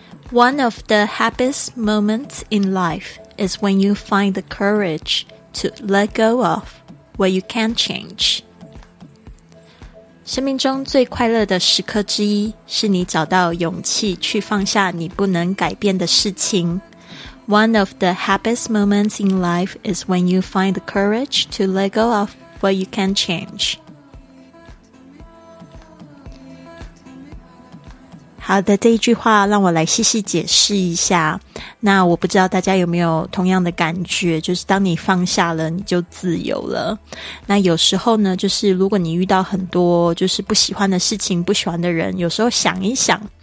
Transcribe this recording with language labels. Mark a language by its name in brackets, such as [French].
[English] One of the happiest moments in life is when you find the courage to let go of what you can't change. [Chinese] 生命中最快乐的时刻之一，是你找到勇气去放下你不能改变的事情。 [English] One of the happiest moments in life is when you find the courage to let go of what you can't change. [Chinese] 好的，这一句话让我来细细解释一下。那我不知道大家有没有同样的感觉，就是当你放下了，你就自由了。那有时候呢，就是如果你遇到很多就是不喜欢的事情，不喜欢的人，有时候想一想，